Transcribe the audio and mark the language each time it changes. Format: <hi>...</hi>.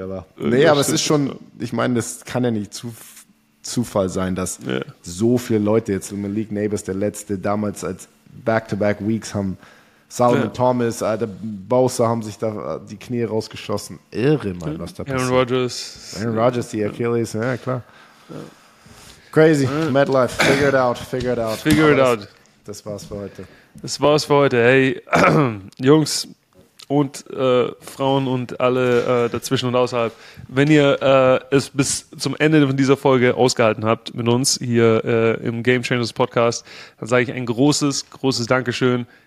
<de>Aber es ist schon, ich meine, das kann ja nicht Zufall sein, dass so viele Leute jetzt in der League Neighbors, der letzte, damals als Back-to-Back-Weeks haben, Solomon Thomas, Alter, Bowser haben sich da die Knie rausgeschossen. Irre, Mann, was da passiert. Aaron Rodgers, die Achilles, ja klar.</de> <en>Crazy, MetLife, figure it out.</en> <de>Das war's für heute. Hey, Jungs und Frauen und alle dazwischen und außerhalb, wenn ihr es bis zum Ende von dieser Folge ausgehalten habt mit uns hier im Game Changers Podcast, dann sage ich ein großes, großes Dankeschön.</de>